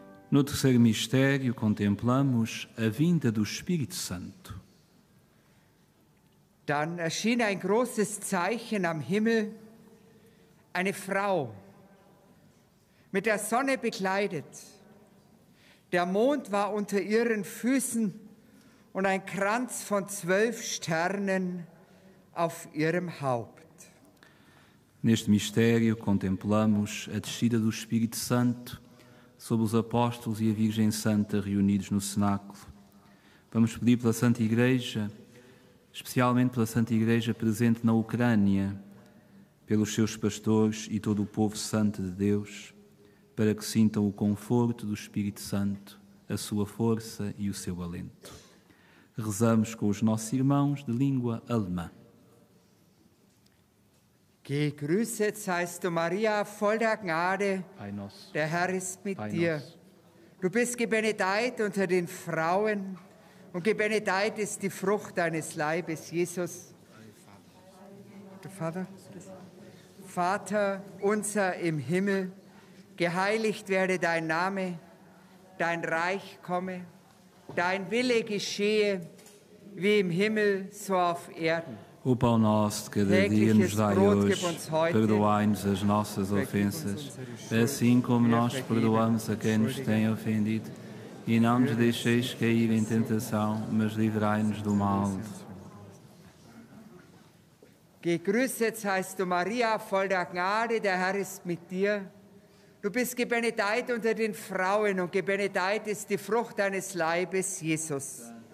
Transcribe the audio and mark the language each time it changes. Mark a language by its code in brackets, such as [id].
[pt] No terceiro mistério, contemplamos a vinda do Espírito Santo. [de] Dann erschien ein großes Zeichen am Himmel, eine Frau, mit der Sonne bekleidet. Der Mond war unter ihren Füßen und ein Kranz von 12 Sternen auf ihrem Haupt. [pt] Neste mistério, contemplamos a descida do Espírito Santo sobre os apóstolos e a Virgem Santa reunidos no cenáculo. Vamos pedir pela Santa Igreja, especialmente pela Santa Igreja presente na Ucrânia, pelos seus pastores e todo o povo santo de Deus, para que sintam o conforto do Espírito Santo, a sua força e o seu alento. Rezamos com os nossos irmãos de língua alemã. [de] Gegrüßet seist du, Maria, voll der Gnade, der Herr ist mit dir. Du bist gebenedeit unter den Frauen, und gebenedeit ist die Frucht deines Leibes, Jesus. Vater unser im Himmel, geheiligt werde dein Name, dein Reich komme, dein Wille geschehe, wie im Himmel, so auf Erden. [pt] O pão nosso de cada dia nos dai hoje, perdoai-nos as nossas ofensas, assim como nós perdoamos a quem nos tem ofendido. E não nos deixeis cair em tentação, mas livrai-nos do mal. [de] Gegrüßet seist du, Maria, voll der Gnade, der Herr ist mit dir. Du bist gebenedeit unter den Frauen, und gebenedeit ist die Frucht deines Leibes, Jesus.